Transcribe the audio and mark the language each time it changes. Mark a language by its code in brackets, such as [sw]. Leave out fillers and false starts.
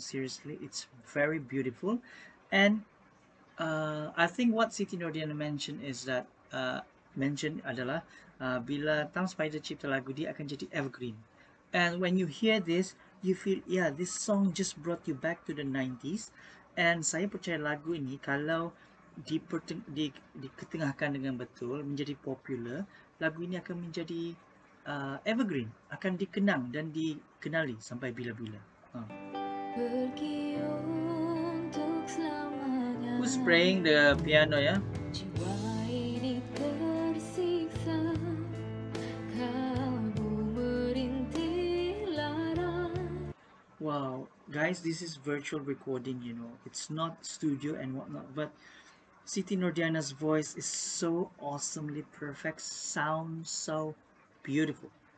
[en] Seriously, it's very beautiful. And I think what Siti Nordiana mentioned is that, [ms] mentioned adalah, bila Tang Spider cipta lagu, dia akan jadi evergreen. [en] And when you hear this, you feel, yeah, this song just brought you back to the 90s. [ms] And saya percaya lagu ini, kalau diketengahkan dengan betul, menjadi popular, lagu ini akan menjadi evergreen, akan dikenang dan dikenali sampai bila-bila. Pergi untuk selamanya. [en] Who's playing the piano [ms] ya? Jiwa ini tersiksa, kamu merintih lara. [en] Wow, guys, this is virtual recording, you know. It's not studio and whatnot, but Siti Nordiana's voice is so awesomely perfect, sounds so beautiful.